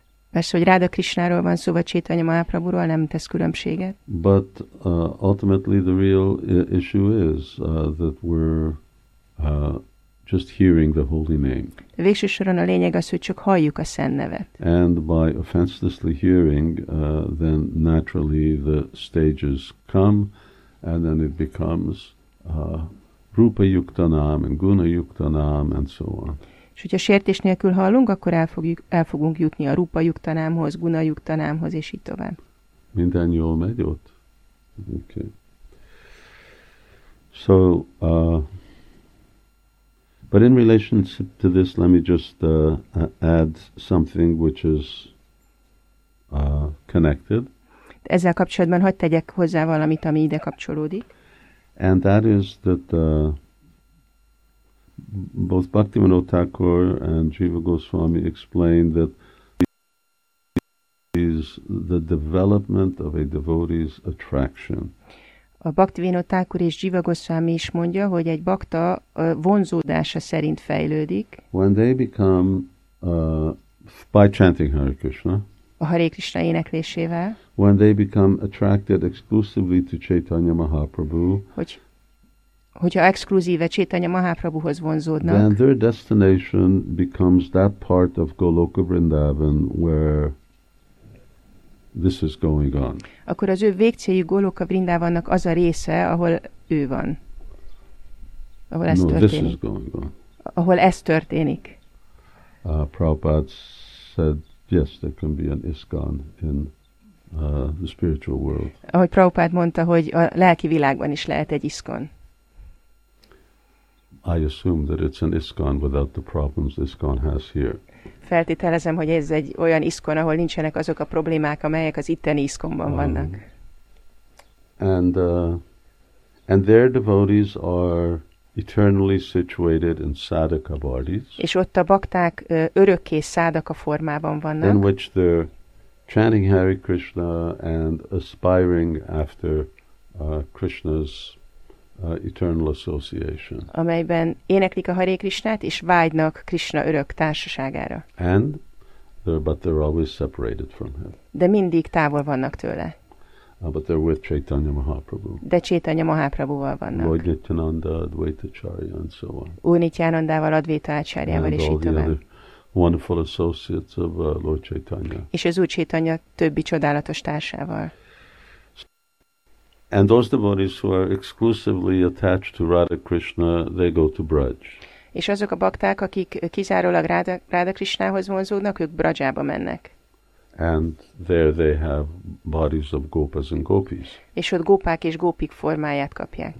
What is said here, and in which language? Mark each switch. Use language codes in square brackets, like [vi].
[hu] Persze, hogy Radha Krishnáról van szó, vagy Chaitanya Mahaprabhuról, nem tesz különbséget. [en] But ultimately the real issue is that we're just hearing the holy name. [hu] Végső soron a lényeg az, hogy csak halljuk a szent nevet. [en] And by offenselessly hearing, then naturally the stages come, and then it becomes rupa yukta nam and guna yukta nam and so on. [hu] És hogyha sértés nélkül hallunk, akkor el fogunk jutni a rupa yukta namhoz, guna yukta namhoz, és így tovább. Minden jól megy ott? Okay. [en] So, but in relation to this, let me just add something which is connected. [hu] Ezzel kapcsolatban hadd tegyek hozzá valamit, ami ide kapcsolódik. [en] And that is that both Bhaktivinoda Thakur and Jiva Goswami explained that is the development of a devotee's attraction. [hu] A Bhaktivinoda Thakur és Jiva Goswami is mondja, hogy egy bhakta vonzódása szerint fejlődik. [en] When they become by chanting Hare Krishna. [hu] A Hare Krishna éneklésével. [en] When they become attracted exclusively to Chaitanya Mahaprabhu. [hu] Hogyha exkluzíve Chaitanya Mahaprabhuhoz vonzódnak. [en] Then their destination becomes that part of Goloka Vrindavan where this is going on. [hu] Akkor az ő végcéljük Goloka Vrindavannak az a része, ahol ő van. Ahol ez no, történik. [en] This is going on. [hu] Ahol ez történik. [en] Prabhupada said, yes, there can be an ISKCON in the spiritual world. [hu] Ahogy Prabhupada mondta, hogy a lelki világban is lehet egy ISKCON. [en] I assume that it's an ISKCON without the problems ISKCON has here. [hu] Feltételezem, hogy ez egy olyan ISKCON, ahol nincsenek azok a problémák, amelyek az itteni ISKCON-ban vannak. [en] And their devotees are eternally situated in sadaka bodies. [hu] És ott a bakták örökké sadaka formában vannak. [en] In which they're chanting Hare Krishna and aspiring after Krishna's eternal association. [hu] Amelyben éneklik a Hare Krishnát és vágynak Krishna örök társaságára. [en] And but they're always separated from him. [hu] De mindig távol vannak tőle. [en] But they're with Chaitanya Mahaprabhu. [hu] De Chaitanya Mahaprabhuval vannak. [en] Lord Nityananda, Advaita Acharya and so on. [hu] Úr Nityanandával, Advaita Acharyával és így tovább. [en] Wonderful associates of Lord Chaitanya. [hu] És az Úr Chaitanya többi csodálatos társával. [en] And those devotees who are exclusively attached to Radha Krishna, they go to Braj. [hu] És azok a bakták, akik kizárólag Radha Krishnához vonzódnak, ők Brajába mennek. [en] And there they have bodies of gopas and gopis. [hu] És ott gópák és gópik formáját kapják.